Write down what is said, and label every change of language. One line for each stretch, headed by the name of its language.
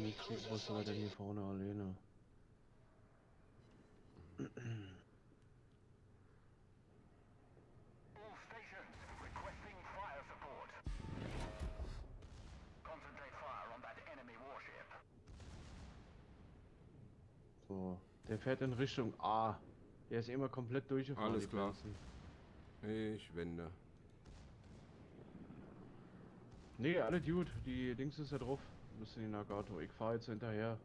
German: Ich muss weiter hier vorne alleine.
English: All stations requesting fire support. Concentrate fire on that enemy warship.
German: So, der fährt in Richtung A. Der ist immer komplett durchgefahren. Alles klar. Ich wende. Nee, alle Dude, die Dings ist ja drauf. Müssen die Nagato, ich fahre jetzt hinterher.